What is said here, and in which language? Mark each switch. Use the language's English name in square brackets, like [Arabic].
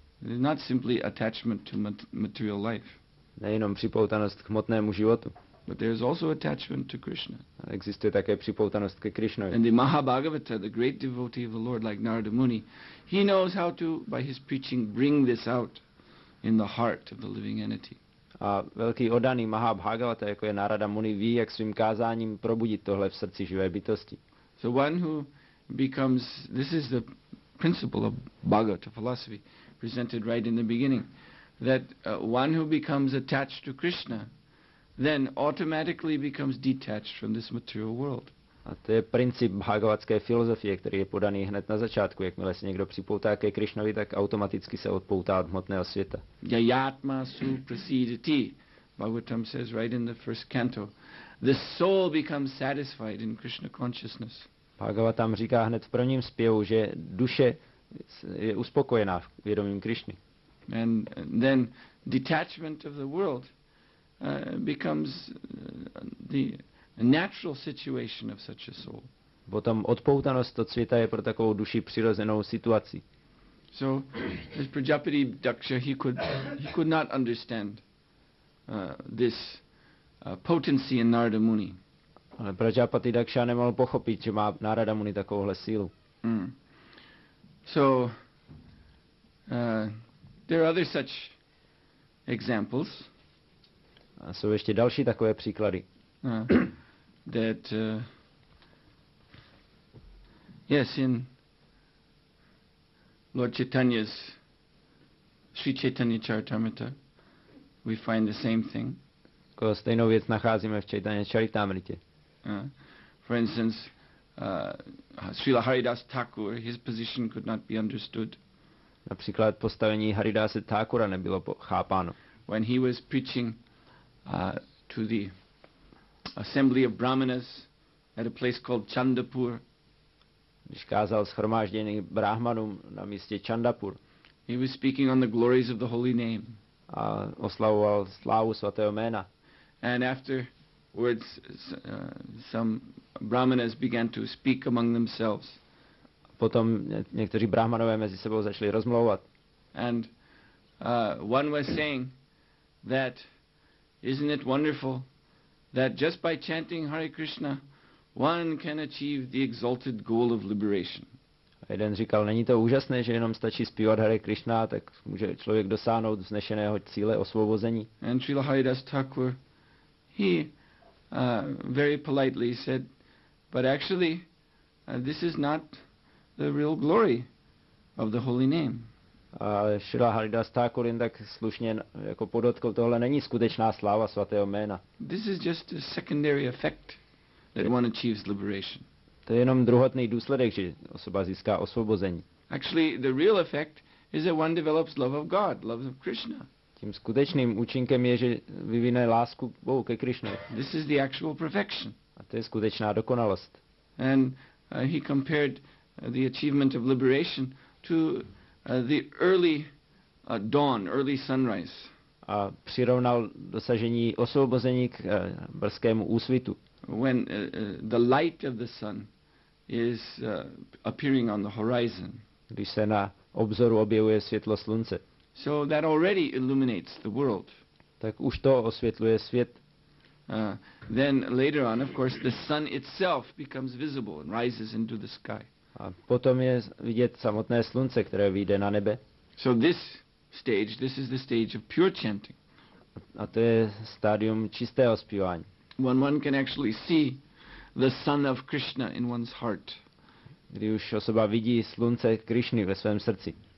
[English] It is not simply attachment to material life. [Czech] Nejenom připoutanost k hmotnému životu. [English] But there is also attachment to Krishna. [Czech] Existuje také připoutanost ke Krishnovi. [English] And the Mahabhagavata, the great devotee of the Lord, like Narada Muni, he knows how to, by his preaching, bring this out in the heart of the living entity. [Czech] A velký odaný Mahabhagavata, jako je Narada Muni, ví, jak svým kázáním probudit tohle v srdci živé bytosti. [English] So one who becomes, this is the principle of Bhagavata philosophy presented right in the beginning, that one who becomes attached to Krishna then automatically becomes detached from this material world. [Czech] A to je princip bhagavatské filozofie, který je podaný hned na začátku. Jakmile se někdo připoutá ke Krišnovi, tak automaticky se odpoutá od hmotného světa. [Sanskrit] Yayatma su prasidati, [English] Bhagavatam says right in the first canto, the soul becomes satisfied in Krishna consciousness. [Czech] Bhagavatam říká hned v prvním zpěvu, že duše je uspokojená v vědomím Krišny. [English] And then detachment of the world becomes the natural situation of such a soul. [Czech] Potom odpoutanost od světa je pro takovou duši přirozenou situací. [English] So, as Prajapati Daksha, he could not understand this potency in Narada Muni. [Czech] Ale Prajapati Daksha nemohl pochopit, že má Narada Muni takovouhle sílu. [English] So, there are other such examples. [Czech] A jsou ještě další takové příklady. [English] That yes, in Lord Chaitanya's Sri Chaitanya Charitamrita we find the same thing. [Czech] Ko stejnou věc nacházíme v Chaitanya Charitamritě. [English] For instance, Srila Haridas Thakur, his position could not be understood. [Czech] Například postavení Haridase Thakura nebylo chápáno. [English] When he was preaching to the assembly of brahmanas at a place called Chandapur. [Czech] Když kázal shromáždění brahmanům na místě Chandapur. [English] He was speaking on the glories of the holy name. [Czech] A oslavoval slávu svatého jména. [English] And afterwards some brahmanas began to speak among themselves. [Czech] Potom někteří brahmanové mezi sebou začali rozmlouvat. [English] And one was saying that isn't it wonderful that just by chanting Hare Krishna, one can achieve the exalted goal of liberation. [Czech] jeden říkal, není to úžasné, že jenom stačí zpívat Hare Krishna, tak může člověk dosáhnout vznešeného cíle osvobození. [English] And Srila Haridas Thakur, he very politely said, but actually, this is not the real glory of the holy name. [Czech] A Srila Haridas Thakur jen tak slušně jako podotkl, tohle není skutečná sláva svatého jména. [English] This is just a secondary effect that one achieves liberation. [Czech] To je jenom druhotný důsledek, že osoba získá osvobození. [English] Actually, the real effect is that one develops love of God, love of Krishna. [Czech] Tím skutečným účinkem je, že vyvine lásku k Bohu, ke Krishna. [English] This is the actual perfection. [Czech] A to je skutečná dokonalost. [English] And he compared the achievement of liberation to the early dawn, early sunrise. [Czech] A přirovnal dosažení osvobození k brzkému úsvitu. [English] When the light of the sun is appearing on the horizon. [Czech] Když se na obzoru objevuje světlo slunce. [English] So that already illuminates the world. [Czech] Tak už to osvětluje svět. [English] Then later on, of course, the sun itself becomes visible and rises into the sky. [Czech] A potom je vidět samotné slunce, které vyjde na nebe. [English] So this stage, this is the stage of pure chanting. [Czech] A to je stádium čistého zpívání. [English] When one can actually see the sun of Krishna in one's heart. [Czech] Kdy už osoba vidí slunce Krishny ve svém srdci.